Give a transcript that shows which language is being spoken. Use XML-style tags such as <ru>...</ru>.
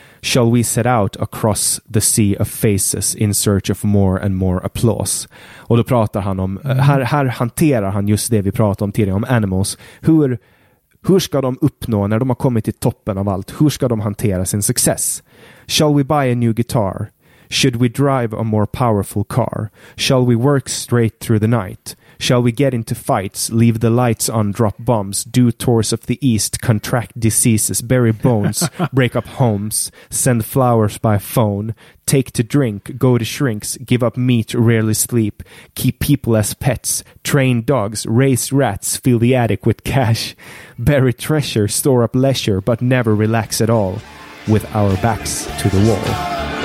<en>Shall we set out across the sea of faces in search of more and more applause?</en> <sv>Och då pratar han om, här hanterar han just det vi pratade om tidigare, om animals. Hur ska de uppnå, när de har kommit till toppen av allt, hur ska de hantera sin success?</sv> <en>Shall we buy a new guitar? Should we drive a more powerful car? Shall we work straight through the night? Shall we get into fights, leave the lights on, drop bombs, do tours of the east, contract diseases, bury bones, break up homes, send flowers by phone, take to drink, go to shrinks, give up meat, rarely sleep, keep people as pets, train dogs, raise rats, fill the attic with cash, bury treasure, store up leisure, but never relax at all, with our backs to the wall.</en>